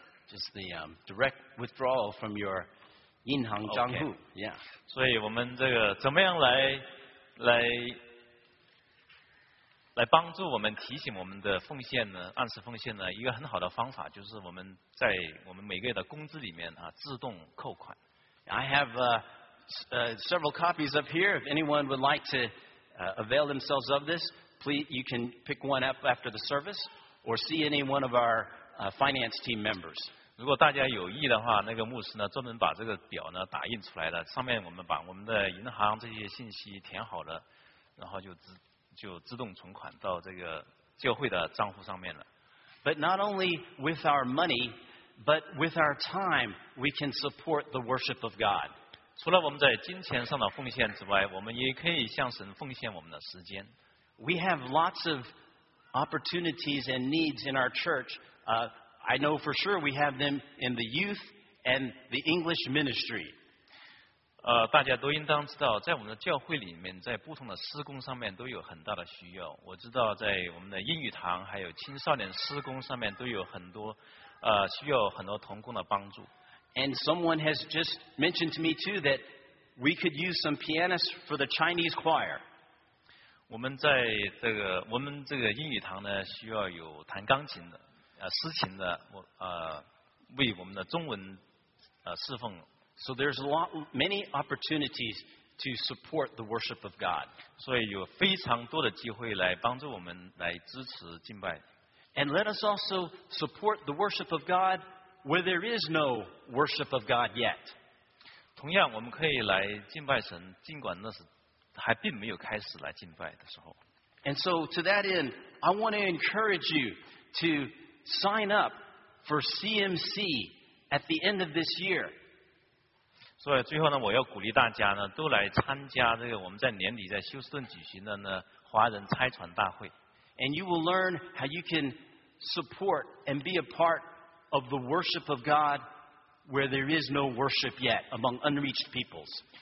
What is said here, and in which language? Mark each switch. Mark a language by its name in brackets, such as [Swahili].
[English] Just the direct withdrawal from your [Chinese] 银行账户 [English] Yeah. [Chinese] 所以我们这个怎么样来帮助我们提醒我们的奉献呢？按时奉献呢？一个很好的方法就是我们在我们每个月的工资里面啊自动扣款。 [English] I have several copies up here. If anyone would like to avail themselves of this. Please, you can pick one up after the service or see any one of our finance team members. [Chinese] 如果大家有意的话，那个牧师呢，专门把这个表呢打印出来的，上面我们把我们的银行这些信息填好了，然后就自动存款到这个教会的账户上面了。 [English] But not only with our money, but with our time, we can support the worship of God. [Chinese] 除了我们在金钱上的奉献之外，我们也可以向神奉献我们的时间。 [English] We have lots of opportunities and needs in our church. I know for sure we have them in the youth and the English ministry. [Chinese] 大家都应当知道，在我们的教会里面，在不同的施工上面都有很大的需要。我知道在我们的英语堂还有青少年施工上面都有很多需要很多同工的帮助。 [English] And someone has just mentioned to me too that we could use some pianists for the Chinese choir. [Chinese] 我们在这个我们这个英语堂呢，需要有弹钢琴的、司琴的，为我们的中文侍奉。 [English] So there's a lot, many opportunities to support the worship of God. [Chinese] 所以有非常多的机会来帮助我们来支持敬拜。 [English] And let us also support the worship of God where there is no worship of God yet. [Chinese] 同样，我们可以来敬拜神，尽管那是。还并没有开始来敬拜的时候。 [English] And so to that end, I want to encourage you to sign up for CMC at the end of this year. [Chinese] 所以最后呢，我要鼓励大家呢，都来参加这个我们在年底在休斯顿举行的呢华人拆船大会。 [English] And you will learn how you can support and be a part of the worship of God where there is no worship yet among unreached peoples.